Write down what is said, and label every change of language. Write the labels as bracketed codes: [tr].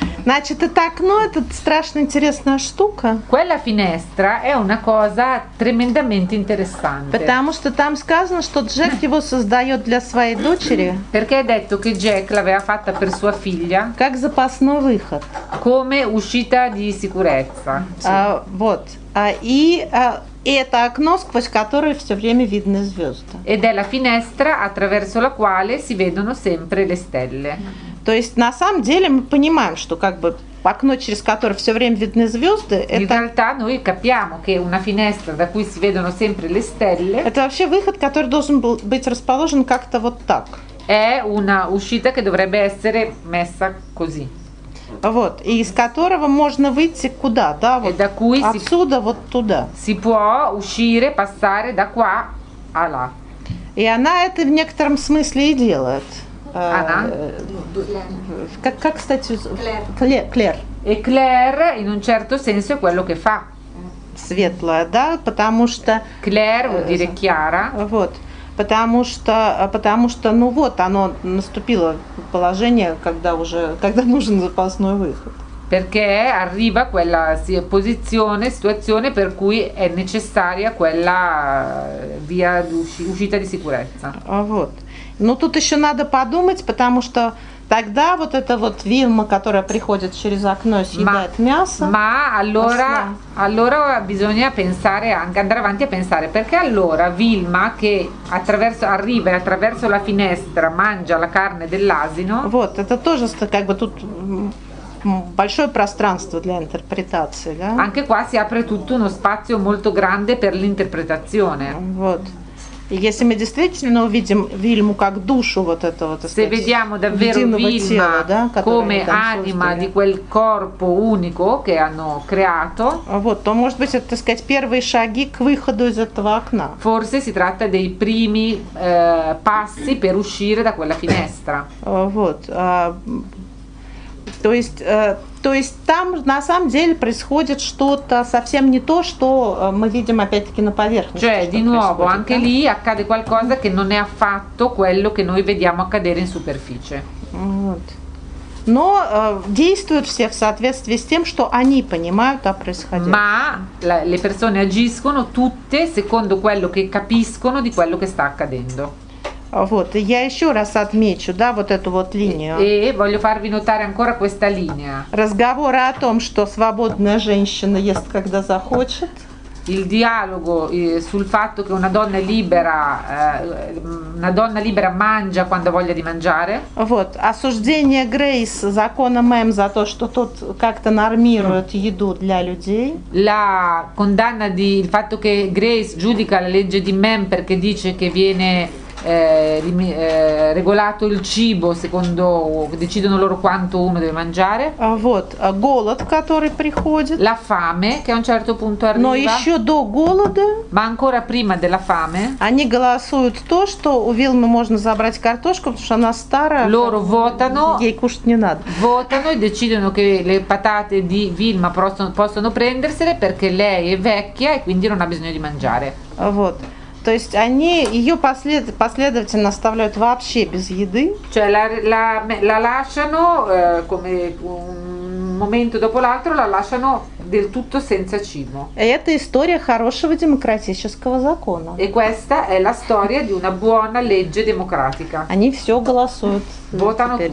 [ru] Значит, это окно, это страшно интересная штука. [it] Quella finestra è una cosa tremendamente interessante. [ru] Потому что там сказано, что Джек его создает для своей дочери. [it] Perché è detto che Jack l'aveva fatta per sua figlia. [ru] Как запасной выход. [it] Come uscita di sicurezza. [ru] Вот. И это окно, сквозь которое все время видны звезды. [it] Ed è la finestra attraverso la quale si vedono sempre le stelle. [ru] То есть на самом деле мы понимаем, что как бы окно, через которое все время видны звезды, [it] in это. In realtà noi capiamo che una finestra da cui si vedono sempre le stelle. [ru] Это вообще выход, который должен был быть расположен как-то вот так. [it] È una uscita che dovrebbe essere messa così. [ru] Вот, и из которого можно выйти куда, да, вот [it] da cui [ru] отсюда, [it] si, [ru] вот туда. [it] Si può uscire, passare da qua a là. [ru] И она это в некотором смысле и делает. Она? Как, кстати, Клэр. [it] И Клэр, in un certo senso, è quello che fa. [ru] Светлая, да, потому что... [it] Клэр, vuol dire chiara. [ru] Вот. Потому что, ну вот, оно наступило положение, когда нужен запасной выход. [it] Perché arriva quella posizione, situazione per cui è necessaria quella via uscita di sicurezza. [ru] Вот. Ну тут еще надо подумать, потому что тогда вот эта вот Вилма, которая приходит через окно и съедает мясо. [it] Ma allora bisogna pensare anche, andare avanti a pensare, perché allora Вилма, che arriva attraverso la finestra, mangia la carne dell'asino. [ru] Вот, это тоже как бы тут большое пространство для интерпретации, да? [it] Anche qua si apre tutto uno spazio molto grande per l'interpretazione. [ru] Вот. И если мы действительно увидим Вильму как душу вот этого, то есть, [it] se vediamo davvero Вильма, да, come anima di quel corpo unico che hanno creato, [ru] вот, то может быть это, так сказать, первые шаги к выходу из этого окна. [it] Forse si tratta dei primi passi per uscire da quella finestra. [ru] Вот. То есть там на самом деле происходит что-то совсем не то, что мы видим опять-таки на поверхности. [it] Cioè, di nuovo, anche lì accade qualcosa che non è affatto quello che noi vediamo accadere in superficie. [ru] Но действуют все в соответствии с тем, что они понимают о происходящем. [it] Ma le persone agiscono tutte secondo quello che capiscono di quello che sta accadendo. [ru] Вот, я еще раз отмечу, да, вот эту вот линию. [it] E voglio farvi notare ancora questa linea. [ru] Разговоры о том, что свободная женщина ест, когда захочет. [it] Il dialogo sul fatto che una donna libera mangia quando ha voglia di mangiare. [ru] Вот, осуждение Грейс закона Мэм за то, что тут как-то нормируют еду для людей. [it] La condanna di il fatto che Grace giudica la legge di Мэм perché dice che viene regolato il cibo secondo decidono loro quanto uno deve mangiare. [ru] Вот, голод, который приходит. [it] La fame che a un certo punto arriva. [ru] Но ещё до голода. [it] Ma ancora prima della fame. [ru] Они голосуют то, что у Вилмы можно забрать картошку, потому что она старая. [it] Loro votano. [ru] Ей кушать не надо. [it] Votano e decidono che le patate di Vilma possono prendersele perché lei è vecchia e quindi non ha bisogno di mangiare. [ru] Вот. То есть они ее последовательно оставляют вообще без еды. [it] Cioè la lasciano come un momento dopo l'altro la lasciano del tutto senza cibo. [ru] E это история хорошего демократического закона. [it] E questa è la storia di una buona legge democratica. [ru] Они все голосуют. [it] Votano [ru] теперь,